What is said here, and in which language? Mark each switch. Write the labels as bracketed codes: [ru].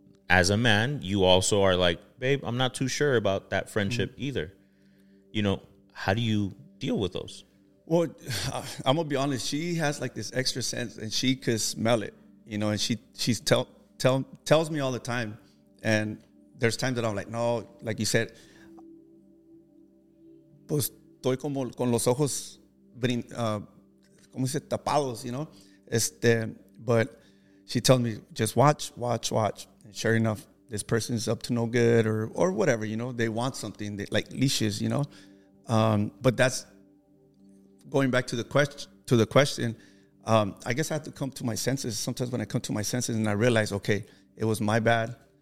[en] As a man, you also are like, babe, I'm not too sure about that friendship either. You know, how do you deal with those? Well, I'm going to be honest. She has, like, this extra sense, and she could smell it, you know, and she tells me all the time. And there's times that I'm like, no, like you said... [es] Pues estoy como con los ojos como dice tapados, [en] you know. But she tells me, just watch. And sure enough, this person is up to no good or whatever, you know. They want something, like leashes, you know. But that's going back to the question. I guess I have to come to my senses. Sometimes when I come to my senses and I realize, okay, it was my bad.